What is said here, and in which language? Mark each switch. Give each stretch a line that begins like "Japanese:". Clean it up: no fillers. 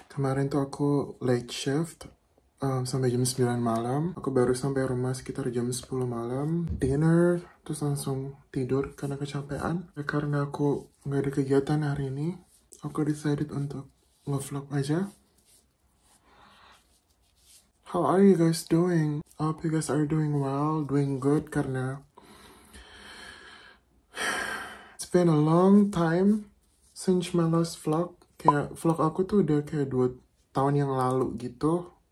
Indonesian: Kemarin tuh aku
English: late shift
Indonesian: sampai jam 9 malam. Aku baru sampai rumah sekitar jam 10 malam. Dinner, terus langsung tidur karena kecapean. Karena aku nggak ada kegiatan hari ini, aku
English: decided
Indonesian: untuk nge-vlog aja.
English: How are you guys doing? I hope you guys are doing well, doing good,
Indonesian: karena
English: it's been a long time since my last vlog.
Indonesian: Kayak vlog aku tuh udah kayak 2 tahun yang lalu gitu.